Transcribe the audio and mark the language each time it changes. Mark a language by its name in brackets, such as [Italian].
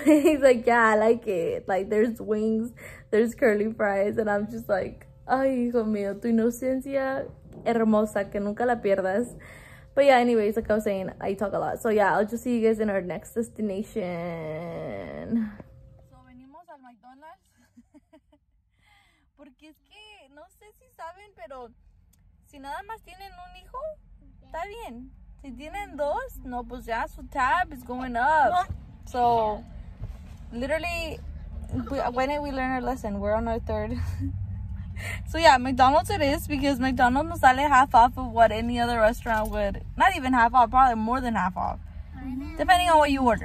[English] He's like, yeah, I like it. Like, there's wings. There's curly fries. And I'm just like, [Spanish] ay, hijo mío, tu inocencia hermosa que nunca la pierdas. [English] But yeah, anyways, like I was saying, I talk a lot. So yeah, I'll just see you guys in our next destination. [Spanish] So venimos al McDonald's. Porque es que, no sé si saben, pero si nada más tienen un hijo, está bien. Si tienen dos, no, pues ya su [English] tab is going up. So, literally, when did we learn our lesson? We're on our third. So yeah, McDonald's it is, because McDonald's [Spanish] nos sale [English] half off of what any other restaurant would. Not even half off, probably more than half off. Depending on what you order.